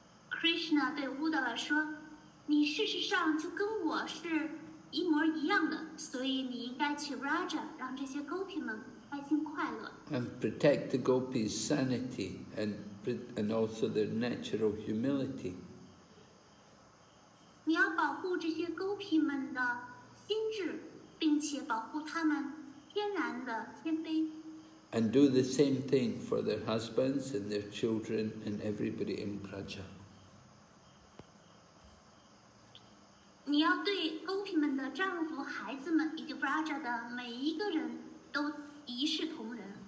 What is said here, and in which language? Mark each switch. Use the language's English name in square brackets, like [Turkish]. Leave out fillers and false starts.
[Chinese] Krishna 对 Uddhava 说，你事实上就跟我是一模一样的，所以你应该去 Raja 让这些 gopi 们开心快乐。 [English] And protect the gopis' sanity and also their natural humility. [Chinese] 你要保护这些 gopi 们的心智，并且保护他们天然的谦卑。 [English] And do the same thing for their husbands and their children and everybody in Raja. [Chinese] 你要对 gopi 们的丈夫、孩子们以及 Braja 的每一个人都一视同仁，